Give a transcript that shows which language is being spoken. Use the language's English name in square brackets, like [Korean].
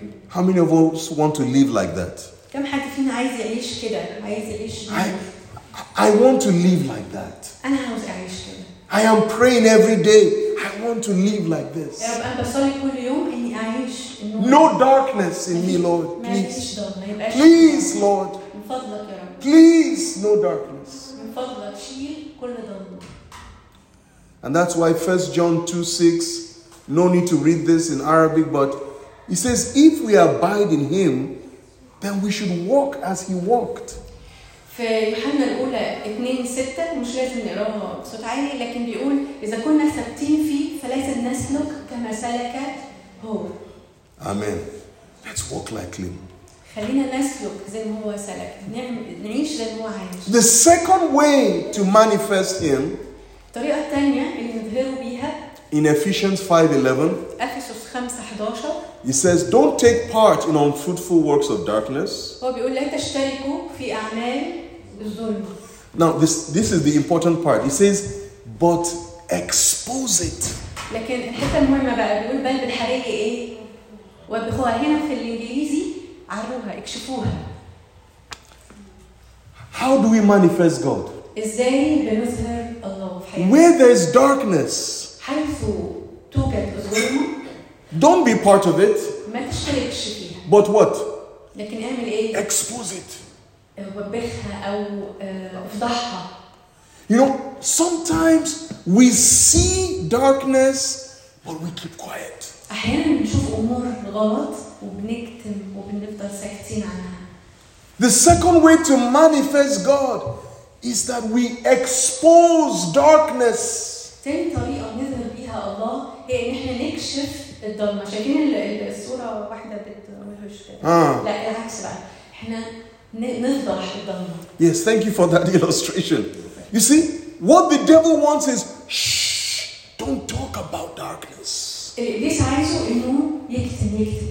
[English] How many of us want to live like that? [Arabic] كم حد فينا عايز يعيش كده؟ عايز يعيش. [English] I want to live like that. [Arabic] أنا عاوز أعيش كده. [English] I am praying every day. I want to live like this. [Arabic] يا رب أنا بصلي كل يوم إني أعيش. [English] No darkness in me, Lord. Please. Please, Lord. [Arabic] من فضلك يا رب. [English] Please, no darkness. [Arabic] من فضلك شيل كل ضلمة. [English] And that's why 1 John 2:6, no need to read this in Arabic, but he says, if we abide in him, then we should walk as he walked. [Arabic] في يوحنا الأولى 2:6 مش لازم نقراها بصوت عالي لكن بيقول إذا كنا ثابتين فيه فلازم نسلك كما سلك هو. [English] Amen. Let's walk like him. [Arabic] خلينا نسلك زي ما هو سلك. نعيش زي ما هو عايش. [English] The second way to manifest him. [Arabic] الطريقة الثانية اللي نظهروا بيها [English] in Ephesians 5:11 [Arabic] أفسس 5:11 [English] he says don't take part in unfruitful works of darkness. [Arabic] هو بيقول لا تشتركوا في أعمال الظلم. [English] Now this is the important part. He says but expose it. [Arabic] لكن الحتة المهمة بقى بيقول بل بالحريق إيه وبخوا هنا في الإنجليزي عروها اكشفوها. [English] How do we manifest God? [Arabic] إزاي بنظهر الله في حياتك؟ [English] Where there's darkness. [Arabic] حيث توجد الظلم. [English] Don't be part of it. [Arabic] ما تشتركش فيها. [English] But what? [Arabic] لكن اعمل إيه؟ [English] Expose it. [Arabic] وبخها أو افضحها. [English] You know, sometimes we see darkness, but we keep quiet. [Arabic] أحيانا بنشوف أمور غلط وبنكتم وبنفضل ساكتين عنها. [English] The second way to manifest God. Is that we expose darkness. [Arabic] تاني طريقة نظهر بيها الله هي ان احنا نكشف الضلمة. شايفين الصورة واحدة بتوهش كده. لا العكس بقى. احنا نفضح الضلمة. [English] Yes, thank you for that illustration. You see, what the devil wants is shh, don't talk about darkness. [Arabic] إبليس عايزه انه يكتم يكتم.